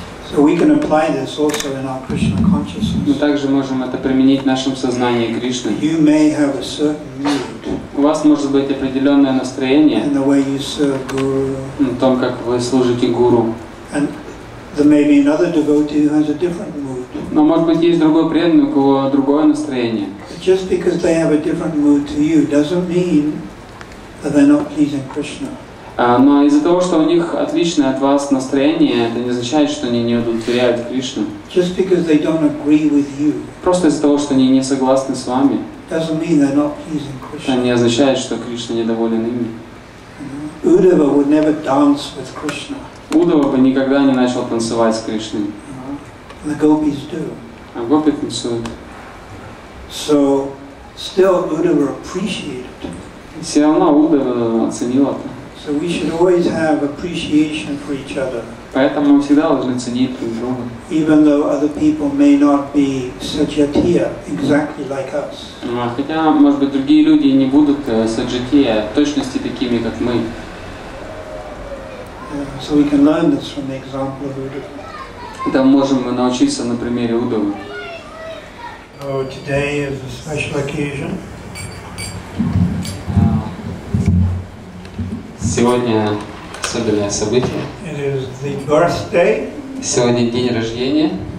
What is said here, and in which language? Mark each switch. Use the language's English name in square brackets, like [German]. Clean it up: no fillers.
[English] So we can apply this also in our Krishna consciousness. [Russian] Мы также можем это применить в нашем сознании Кришны. [English] You may have a certain mood. [Russian] У вас может быть определенное настроение. [English] In the way you serve guru. [Russian] В том, как вы служите гуру. [English] And there may be another devotee who has a different mood. [Russian] Но может быть есть другой преданный, у кого другое настроение. [English] Just because they have a different mood to you doesn't mean that they're not pleasing Krishna. [Russian] Но из-за того, что у них отличное от вас настроение, это не означает, что они не удовлетворяют Кришну. [English] Just because they don't agree with you. [Russian] Просто из-за того, что они не согласны с вами. [English] Doesn't mean they're not pleasing Krishna. [Russian] Это не означает, что Кришна недоволен ими. [English] Uddhava would never dance with Krishna. [Russian] Уддхава бы никогда не начал танцевать с Кришной. [English] The gopis do. [Russian] А гопи танцуют. [English] So, still Uddhava appreciated. [Russian] Все равно Уддхава оценил это. [English] So we should always have appreciation for each other. [Russian] Поэтому мы всегда должны ценить друг друга. [English] Even though other people may not be саджатия exactly like us. [Russian] Хотя, может быть, другие люди не будут саджатия в точности такими, как мы. [English] So we can learn this from the example of Uddhava. [Russian] Там можем мы научиться на примере Уддхавы. [English] So today is a special occasion. [Russian] Сегодня особенное событие. [English] It is the birthday. [Russian] Сегодня день рождения.